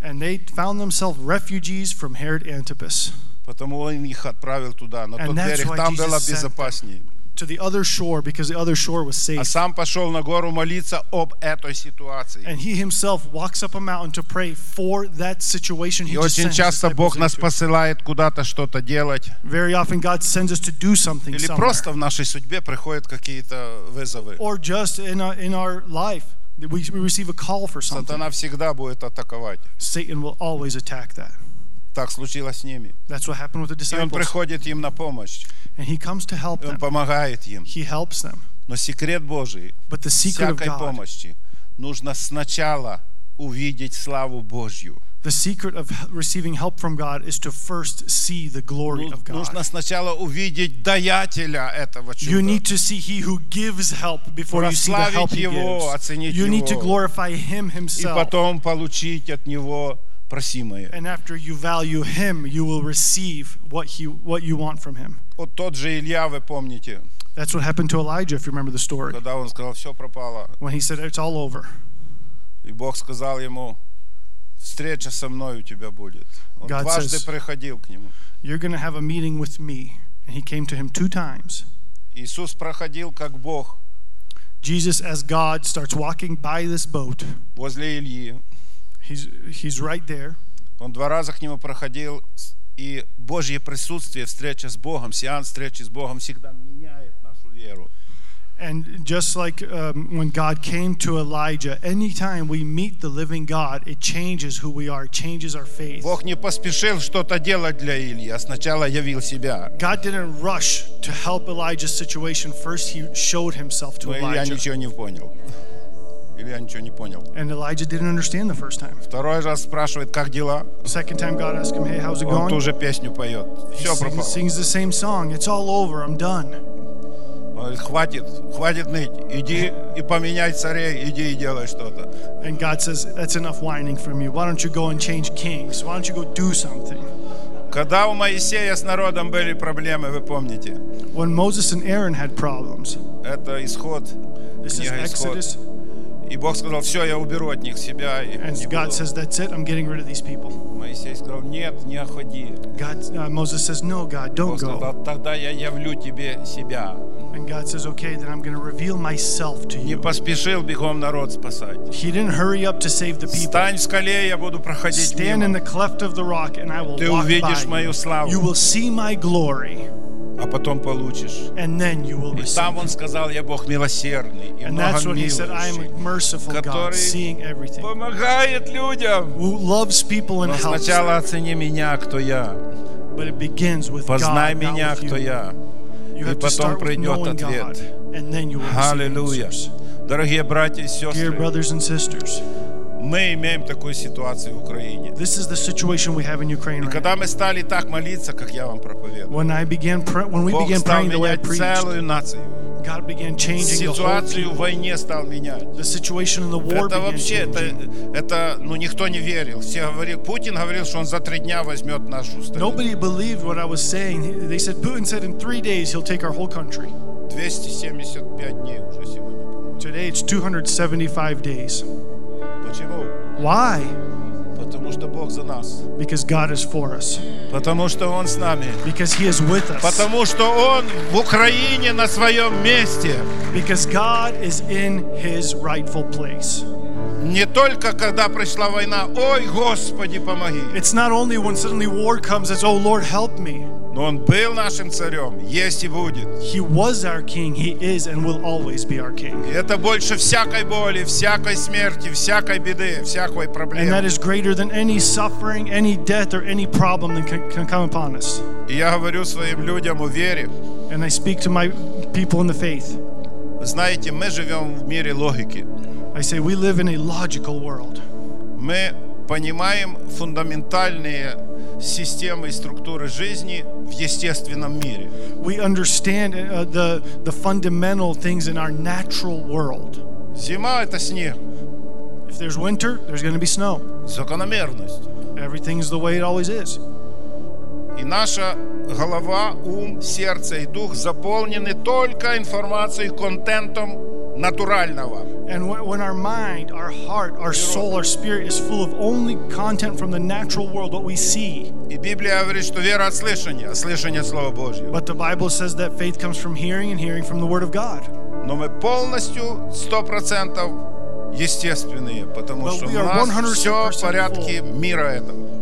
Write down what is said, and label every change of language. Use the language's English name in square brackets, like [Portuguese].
[English] And they found themselves refugees from Herod Antipas. [Russian] Потому он их отправил туда, на тот берег. Там было безопаснее. [English] To the other shore, because the other shore was safe. [Russian] А сам пошел на гору молиться об этой ситуации. [English] And he himself walks up a mountain to pray for that situation. [Russian] И очень часто Бог нас посылает куда-то что-то делать. [English] Very often God sends us to do something. [Russian] Или просто в нашей судьбе приходят какие-то вызовы. [English] Or just in our life, we receive a call for something. [Russian] Сатана всегда будет атаковать. [English] Satan will always attack that. [Russian] Так случилось с ними. [English] That's what happened with the disciples. [Russian] И он приходит им на помощь. [English] And he comes to help them. [Russian] Он помогает им. [English] He helps them. [Russian] Но секрет Божий, [English] but the secret [Russian] всякой [English] of God, [Russian] помощи, нужно сначала увидеть славу Божью. [English] The secret of receiving help from God is to first see the glory of God. [Russian] Нужно сначала увидеть даятеля этого чуда. [English] You need to see he who gives help before you see the help [Russian] его, [English] he gives. [Russian] Оценить [English] you [Russian] его. [English] You need to glorify him himself. [Russian] И потом получить от него. [English] And after you value him, you will receive what you want from him. [Russian] От тот же Илья, вы помните? [English] That's what happened to Elijah, if you remember the story. [Russian] Когда он сказал, все пропало. [English] When he said, it's all over. [Russian] И Бог сказал ему, встреча со мной у тебя будет. Он [English] God [Russian] дважды [English] says, [Russian] приходил к нему. [English] You're going to have a meeting with me. And he came to him two times. [Russian] Иисус проходил как Бог. [English] Jesus, as God, starts walking by this boat. [Russian] Возле Ильи. [English] He's right there. [Russian] Он два раза к нему проходил, и Божье присутствие, встреча с Богом, сеанс встречи с Богом всегда меняет нашу веру. [English] And just like when God came to Elijah, anytime we meet the living God, it changes who we are, changes our faith. [Russian] Бог не поспешил что-то делать для Ильи, а сначала явил себя. [English] God didn't rush to help Elijah's situation. First, he showed himself to Elijah. [Russian] Но Илья ничего не понял. Илья ничего не понял. [English] And Elijah didn't understand the first time. [Russian] Второй раз спрашивает, как дела? [English] Second time God asks him, hey, how's it going? [Russian] Он ту же песню поет. Все пропало. [English] He sings the same song. It's all over. I'm done. [Russian] Он говорит, хватит ныть. Иди и поменяй царей. Иди и делай что-то. [English] And God says, that's enough whining from you. Why don't you go and change kings? Why don't you go do something? [Russian] Когда у Моисея с народом были проблемы, вы помните? [English] When Moses and Aaron had problems. [Russian] Это Исход. [English] This is Exodus. [Russian] И Бог сказал, все, я уберу от них себя. И [English] and God says, that's it, I'm getting rid of these people. [Russian] Моисей сказал, нет, не уходи. [English] Moses says, no, God, don't go. [Russian] Бог сказал, тогда я явлю тебе себя. [English] And God says, okay, then I'm going to reveal myself to you. [Russian] Не поспешил бегом народ спасать. [English] He didn't hurry up to save the people. [Russian] Стань в скале, я буду проходить мимо. [English] Stand in the cleft of the rock, and I will walk by you. [Russian] Ты увидишь мою славу. [English] You will see my glory. [Russian] А потом получишь. [English] And then you will receive. [Russian] И там он сказал, я Бог милосердный и [English] and [Russian] много [English] that's what he said, I am a merciful [Russian] который [English] God, seeing everything. [Russian] Помогает людям. [English] Who loves people and [Russian] но сначала [English] helps [Russian] оцени меня, кто я. [English] But it begins with [Russian] познай [English] God, [Russian] меня, [English] not with [Russian] кто [English] you. [Russian] Я. [English] You [Russian] и потом придет ответ. Аллилуйя. Дорогие братья и сестры. [English] Dear brothers and sisters. [Russian] Мы имеем такую ситуацию в Украине. [English] This is the situation we have in Ukraine. [Russian] И [English] right [Russian] когда [English] now [Russian] мы стали так молиться, как я вам проповедую. [English] When I began when we [Russian] Бог [English] began praying the way I preached. [Russian] Целую нацию. [English] God began changing the whole [Russian] ситуацию в войне стал менять. [English] The situation in the war [Russian] это вообще это ну никто не верил. Все говорили, Путин говорил, что он за три дня возьмет нашу страну. [English] Nobody believed what I was saying. They said Putin said in three days he'll take our whole country. [Russian] 275 дней уже сегодня. [English] Today it's 275 days. Why? [Russian] Потому что Бог за нас. [English] Because God is for us. [Russian] Потому что Он с нами. [English] Because He is with us. [Russian] Потому что Он в Украине на своем месте. [English] Because God is in His rightful place. [Russian] Не только когда пришла война, ой, Господи, помоги. [English] It's not only when suddenly war comes, it's, oh Lord, help me. [Russian] Но Он был нашим царем, есть и будет. [English] He was our king, He is and will always be our king. [Russian] И это больше всякой боли, всякой смерти, всякой беды, всякой проблемы. [English] And that is greater than any suffering, any death or any problem that can come upon us. [Russian] И я говорю своим людям о вере. [English] And I speak to my people in the faith. [Russian] Вы знаете, мы живем в мире логики. [English] I say we live in a logical world. [Russian] Мы понимаем фундаментальные системы и структуры жизни в естественном мире. [English] We understand the fundamental things in our natural world. [Russian] Зима это снег. [English] If there's winter, there's going to be snow. [Russian] Закономерность. [English] Everything is the way it always is. [Ukrainian] І наша голова, ум, серце і дух заповнені тільки інформацією, контентом натурального. [English] And when our mind, our heart, our soul, our spirit is full of only content from the natural world, what we see. [Ukrainian] І Біблія говорить, що віра від слухання, а слухання слова Божого. [English] But the Bible says that faith comes from hearing and hearing from the word of God. [Ukrainian] Но ми повністю 100% естественные, потому [English] but [Ukrainian] що у нас все в порядку міра этого.